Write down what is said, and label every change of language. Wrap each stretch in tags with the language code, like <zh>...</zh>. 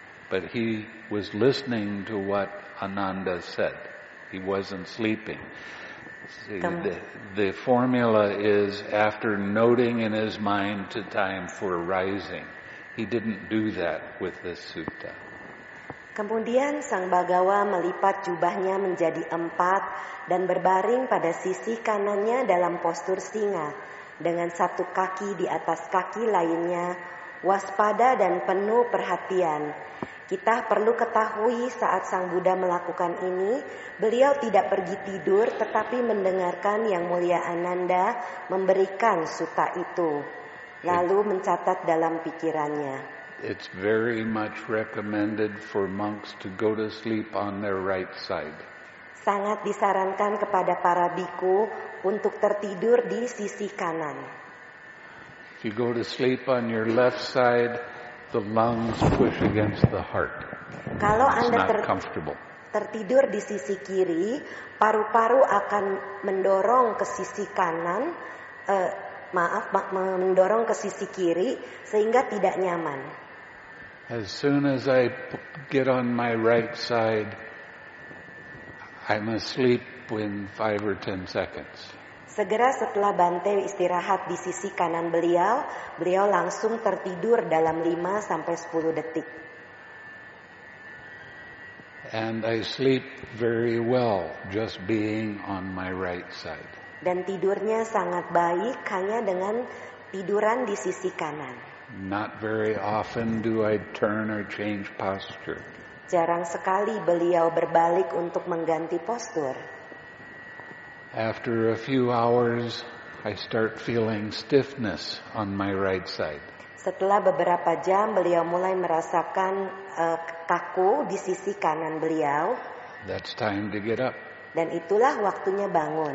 <en>But he was listening to what Ananda said. He wasn't sleeping. The formula is after noting in his mind to time for rising. He didn't do that with this sutta.</en> <id>Kemudian Sang Bhagawa melipat jubahnya menjadi 4 dan berbaring pada sisi kanannya dalam postur singa dengan satu kaki di atas kaki lainnya, waspada dan penuh perhatian. Kita perlu ketahui saat Sang Buddha melakukan ini, beliau tidak pergi tidur tetapi mendengarkan Yang Mulia Ananda memberikan sutta itu, lalu mencatat dalam pikirannya.</id> <en>It's very much recommended for monks to go to sleep on their right side.</en> <id>Sangat disarankan kepada para bhikkhu untuk tertidur di sisi kanan.</id> <en>If you go to sleep on your left side, the lungs push against the heart.</en> <id>Kalau Anda tertidur di sisi kiri, paru-paru akan mendorong ke sisi kanan. Mendorong ke sisi kiri sehingga tidak nyaman.</id> <en>As soon as I get on my right side, I'm asleep in 5 or 10 seconds.</en> <id>Segera setelah Bante istirahat di sisi kanan beliau, beliau langsung tertidur dalam 5 sampai 10 detik.</id> <en>And I sleep very well just being on my right side.</en> <id>Dan tidurnya sangat baik hanya dengan tiduran di sisi kanan.</id> <en>Not very often do I turn or change posture.</en> <id>Jarang sekali beliau berbalik untuk mengganti postur.</id> <en>After a few hours, I start feeling stiffness on my right side.</en> <id>Setelah beberapa jam, beliau mulai merasakan kaku di sisi kanan beliau.</id> <en>That's time to get up.</en> <id>Dan itulah waktunya bangun.</id>